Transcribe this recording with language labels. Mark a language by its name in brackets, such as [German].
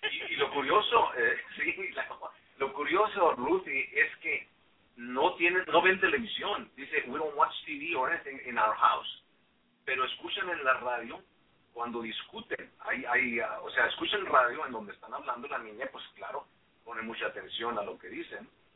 [Spanish] Y lo curioso, lo curioso, Ruthie, es que no ven televisión. [English] Dice, we don't watch TV or anything in our house. [Spanish] Pero escuchan en la radio cuando discuten. O sea, escuchan radio en donde están hablando. La niña, pues claro, pone mucha atención a lo que dicen.